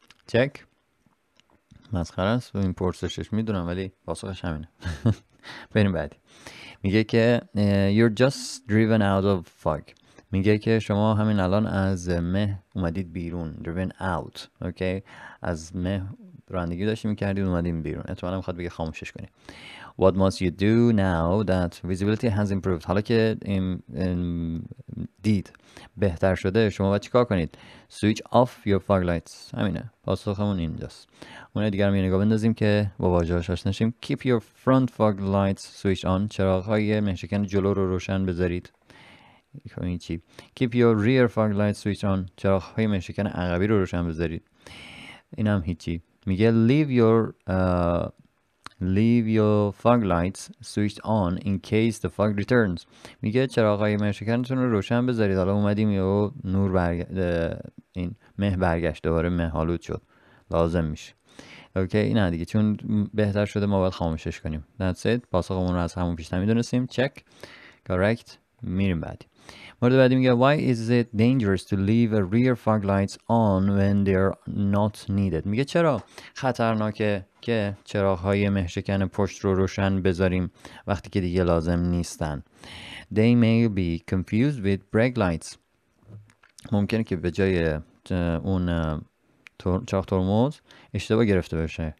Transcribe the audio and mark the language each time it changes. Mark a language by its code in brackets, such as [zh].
[fa] چک، مسخره است و این پرسشش، میدونم ولی پاسخش همینه. بریم بعدی. میگه که [en] you're just driven out of fog، [fa] میگه که شما همین الان از مه اومدید بیرون، [en] driven out، [fa] اوکی، از مه رانندگی داشتیم میکردید اومدیم بیرون، احتمالا میخواد بگه خاموشش کنیم. [en] What must you do now that visibility has improved? [fa] حالا که این دید بهتر شده شما باید چیکار کنید؟ [en] Switch off your fog lights. [fa] همینه. پاسخمون اینجاست. اونه دیگر می نگاه بندازیم که با واژه‌هاش آشنا شیم. [en] Keep your front fog lights switch on. [fa] چراغ‌های مهشکن جلو رو روشن بذارید. [en] Keep your rear fog lights switch on. [fa] چراغ‌های مهشکن عقبی رو روشن بذارید. اینم هیچی. میگه [en] leave your fog lights switched on in case the fog returns. [fa] میگه چراغ‌های مهشکنتون رو روشن بذارید. حالا اومدیم یه نور این مه برگشت دوباره مهالود شد. لازم میشه. اوکی okay, نه دیگه چون بهتر شده ما باید خاموشش کنیم. [en] That's it. [fa] پاسخمون رو از همون پیش نمیدونستیم. [en] Check. Correct. [fa] میریم بعدی. مورد بعدی میگه [en] why is it dangerous to leave a rear fog lights on when they're not needed. [fa] میگه چرا خطرناکه که چراغ‌های مهشکن پشت رو روشن بذاریم وقتی که دیگه لازم نیستن. [en] They may be confused with brake lights. [fa] ممکنه که به جای اون چراغ ترمز اشتباه گرفته بشه.